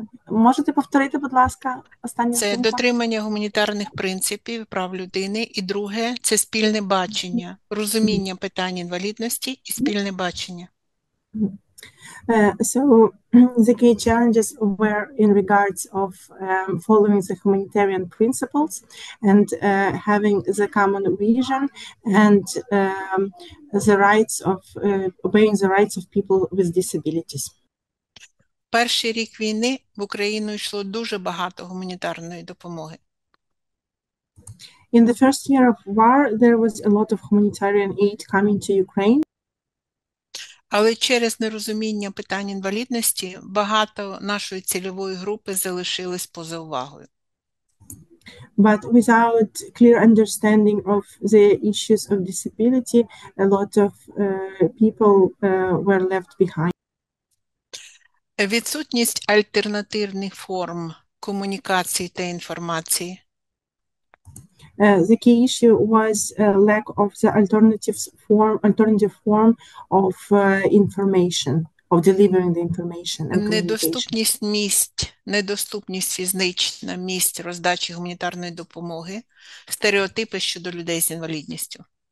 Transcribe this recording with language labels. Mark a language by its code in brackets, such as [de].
[uk] Можете повторити, будь ласка, останнє слово? Це дотримання гуманітарних принципів прав людини. І друге – це спільне бачення, розуміння питань інвалідності і спільне бачення. [en] So the key challenges were in regards of following the humanitarian principles and having the common vision and the rights of obeying the rights of people with disabilities. [uk] Перший рік війни в Україну йшло дуже багато гуманітарної допомоги. [en] In the first year of war, there was a lot of humanitarian aid coming to Ukraine. [uk] Але через нерозуміння питань інвалідності багато нашої цільової групи залишилось поза увагою. [en] But without clear understanding of the issues of disability, a lot of people were left behind. [uk] Відсутність альтернативних форм комунікації та інформації. [en] The key issue was a lack of the alternative form of information, of delivering the information and communication. [uk] Недоступність фізична місць роздачі гуманітарної допомоги, стереотипи щодо людей з інвалідністю.